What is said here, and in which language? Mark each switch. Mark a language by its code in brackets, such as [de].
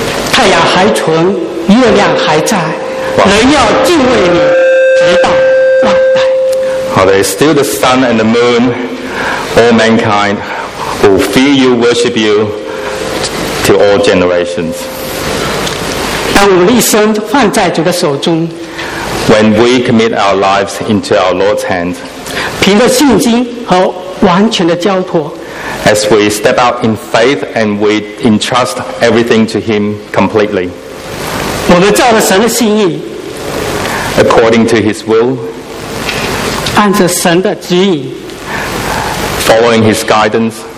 [zh] 太阳还存，月亮还在， wow. 人要敬畏你，直到万代。 [en] Are there still the sun and the moon, all mankind who fear you, worship you, to all generations? [zh] 当我们一生放在主的手中， [en] When we commit our lives into our Lord's hand, [zh] 凭着信心和完全的交托。 [en] As we step out in faith and we entrust everything to Him completely. [zh] 我们照着神的心意， [en] According to His will. [zh] 按着神的指引， [en] Following His guidance.